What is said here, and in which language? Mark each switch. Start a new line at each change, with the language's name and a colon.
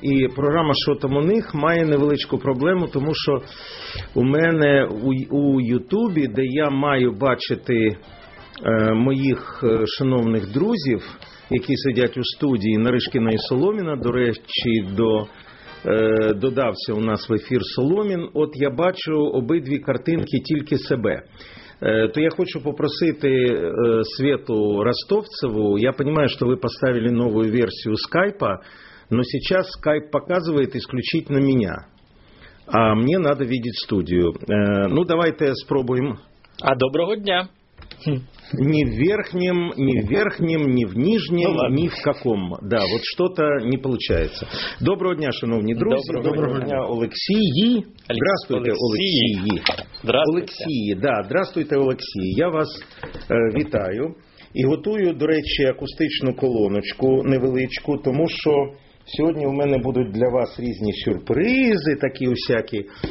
Ukrainian: І програма «Що там у них?» має невеличку проблему, тому що у мене у Ютубі, де я маю бачити моїх шановних друзів, які сидять у студії, Нарішкіна і Соломіна, до речі, додався у нас в ефір Соломін, от я бачу обидві картинки тільки себе.
Russian: То я хочу попросити Свету Ростовцеву, я понимаю, что вы поставили новую версию скайпа, но сейчас скайп показывает исключительно меня, а мне надо видеть студию. Ну, давайте спробуем.
Ukrainian: А доброго дня.
Russian: Ни в верхнем, ни в верхнем, ни в нижнем, ну, ни в каком. Да, вот что-то не получается.
Ukrainian: Доброго дня, шановні друзі. Доброго дня,
Russian: Олексій. Здравствуйте, Олексій. Здравствуйте. Да, здравствуйте, Олексій.
Ukrainian: Я вас вітаю. І готую, до речі, акустичну колоночку невеличку, тому що сьогодні у мене будуть для вас різні сюрпризи, такі усякі.